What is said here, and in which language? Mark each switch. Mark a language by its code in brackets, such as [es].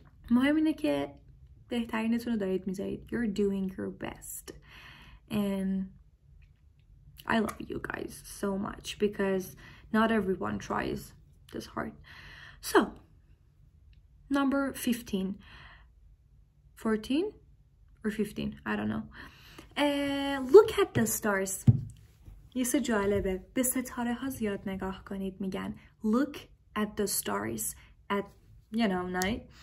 [fa] مهم اینه که بهترینتون رو دارید میذارید. [en] You're doing your best. And I love you guys so much because not everyone tries this hard. So, number 15. 14? Or 15? I don't know. Look at the stars. [fa] یه سه جالبه. به ستاره ها زیاد نگاه کنید میگن. [en] Look at the stars at, you know, night.